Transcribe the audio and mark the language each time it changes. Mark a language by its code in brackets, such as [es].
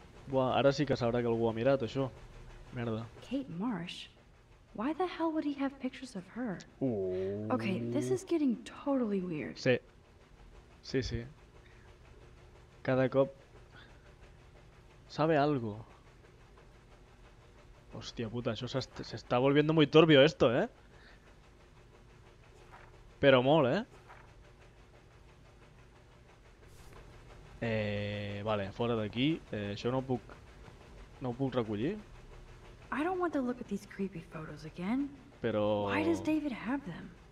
[ca] Buah, ara sí que sabrà que algú ha mirat això. Merda. [en] Kate Marsh? Why the hell would he have pictures of her? Ooooooh. Okay, this is getting totally weird. [ca] Sí. Sí, sí. Cada cop... [es] Sabe algo. [ca] Hòstia puta, això s'està [es] volviendo muy turbio esto, eh? [ca] Però molt, eh? Vale, fora d'aquí, això no ho puc... No ho puc recollir. [en] I don't want to look at these creepy photos again. [ca] Però... [en] Why does David have them?